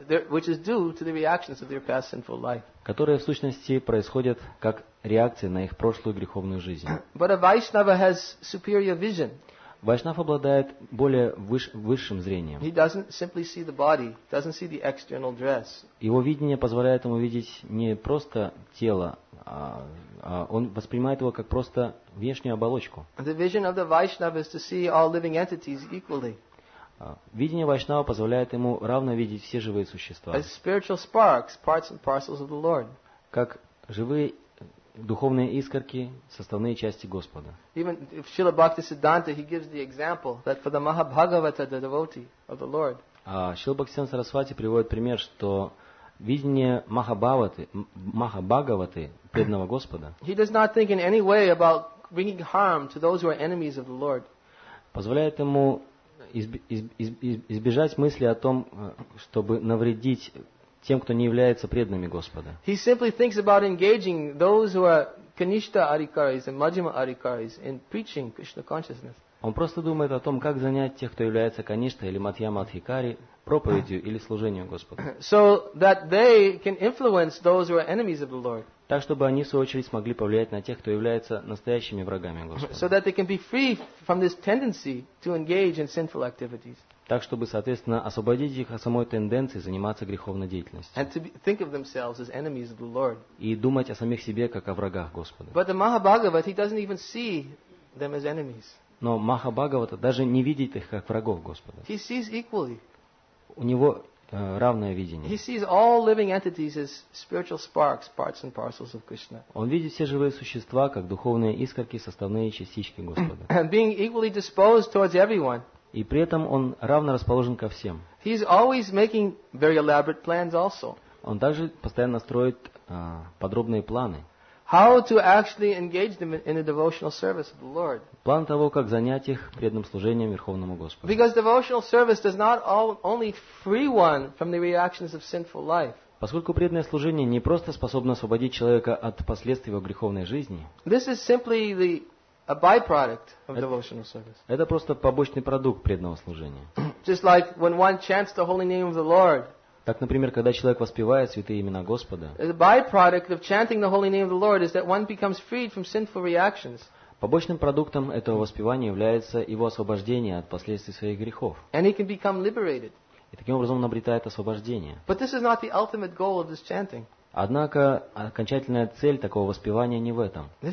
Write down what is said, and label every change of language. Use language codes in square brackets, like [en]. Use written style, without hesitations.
[en] which is due to the reactions of their past sinful life. [ru] Которые в сущности происходят как реакция на их прошлую греховную жизнь. [en] But a Vaishnava has superior vision. [ru] Вайшнав обладает более высшим зрением. [en] He doesn't simply see the body, doesn't see the external dress. [ru] Его видение позволяет ему видеть не просто тело, а он воспринимает его как просто внешнюю оболочку. [en] The vision of the Vaishnava is to see all living entities equally. [ru] Видение Вайшнава позволяет ему равно видеть все живые существа. [en] As spiritual sparks, parts and parcels of the Lord. [ru] Как живые духовные искорки, составные части Господа. [en] Even if Srila Bhaktisiddhanta, he gives the example that for the Mahabhagavata, the devotee of the Lord. [ru] Srila Bhaktisiddhanta Sarasvati приводит пример, что видение Махабхагаваты, преданного Господа. [en] He does not think in any way about bringing harm to those who are enemies of the Lord. [ru] Позволяет ему избежать мысли о том, чтобы навредить тем, кто не является преданными Господа. [en] He simply thinks about engaging those who are Kanishta Adhikaris and Majjhima Adhikaris in preaching Krishna consciousness. [ru] Он просто думает о том, как занять тех, кто является Каништа или Мадхьяма Адхикари, проповедью или служением Господа. [en] So that they can influence those who are enemies of the Lord. [ru] Так, чтобы они, в свою очередь, смогли повлиять на тех, кто является настоящими врагами Господа. [en] So that they can be free from this tendency to engage in sinful activities. [ru] Так, чтобы, соответственно, освободить их от самой тенденции заниматься греховной деятельностью. [en] And to think of themselves as enemies of the Lord. [ru] И думать о самих себе, как о врагах Господа. [en] But the Mahabhagavata, he doesn't even see them as enemies. [ru] Но Махабхагавата даже не видит их как врагов Господа. [en] He sees equally. [ru] У него равное видение. [en] He sees all living entities as spiritual sparks, parts and parcels of Krishna. [ru] Он видит все живые существа как духовные искорки, составные частички Господа. [en] And being equally disposed towards everyone. [ru] И при этом он равно расположен ко всем. [en] He is always making very elaborate plans also. [ru] Он также постоянно строит подробные планы. [en] How to actually engage them in a devotional service of the Lord? [ru] План того, как занять их преданным служением Верховному Господу. [en] Because devotional service does not only free one from the reactions of sinful life. [ru] Поскольку преданное служение не просто способно освободить человека от последствий его греховной жизни. [en] This is simply a byproduct of devotional service. [ru] Это просто побочный продукт преданного служения. [en] Just like when one chants the holy name of the Lord. [ru] Так, например, когда человек воспевает святые имена Господа. [en] The byproduct of chanting the holy name of the Lord is that one becomes freed from sinful reactions. [ru] Побочным продуктом этого воспевания является его освобождение от последствий своих грехов. [en] And he can become liberated. [ru] И таким образом он обретает освобождение. [en] But this is not the ultimate goal of this chanting. [ru] Однако окончательная цель такого воспевания не в этом.